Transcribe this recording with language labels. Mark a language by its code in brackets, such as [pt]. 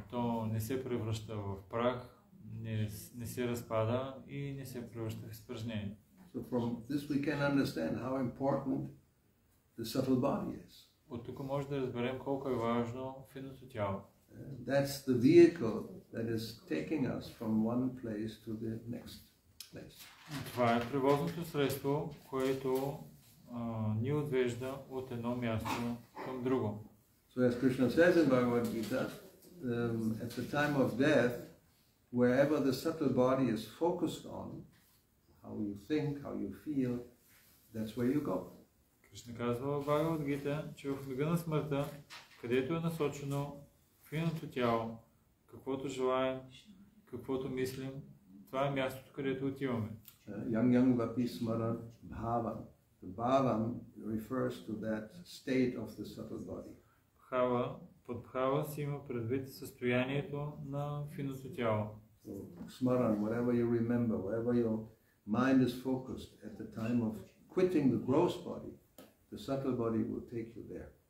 [bg] То не се превръща в прах, не се разпада и не се превръща в изпражнение. [en] So from this we can understand how important the subtle body is. [bg] От тук може да разберем колко е важно финото тяло. [en] That's the vehicle that is taking us from one place to the next place. [bg] Това е превозното средство, което ни отвежда от едно място към друго. [en] So as Krishna says in Bhagavad Gita, at the time of death, wherever the subtle body is focused on, how you think, how you feel, that's where you go. [bg] Кришна казва в Бхагавад Гита, че в мига на смъртта, където е насочено финото тяло, каквото желаем, каквото мислим, това е мястото, където отиваме. [sa] Yang vapi smaran bhavam. [en] The bhavam refers to that state of the subtle body. [bg] Бхава, под бхава си има предвид състоянието на финото тяло. [en] So, smaran, whatever you remember, whatever your mind is focused at the time of quitting the gross body, the subtle body will take you there.